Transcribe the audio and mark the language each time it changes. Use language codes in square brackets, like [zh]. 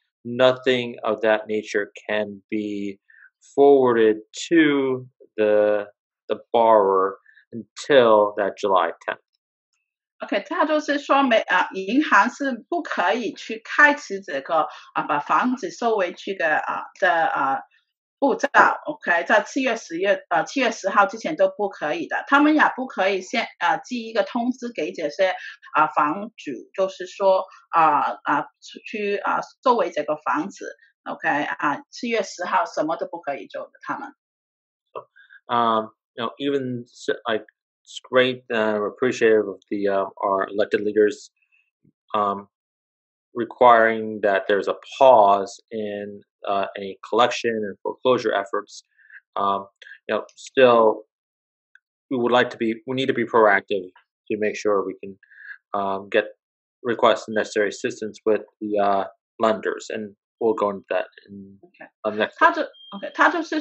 [en] Nothing of that nature can be forwarded to the borrower until that July 10th. [zh] OK, 他就是说银行是不可以去开启这个把房子收回去的步骤 ,OK, 在7月10号之前都不可以的。他们也不可以先寄一个通知给这些房主就是说去收回这个房子 ,OK, 7月10号什么都不可以做的他们。 [en] Even like, it's great and appreciative of the our elected leaders requiring that there's a pause in any collection and foreclosure efforts. You know, still, we need to be proactive to make sure we can get requests and necessary assistance with the lenders, and we'll go into that in the next.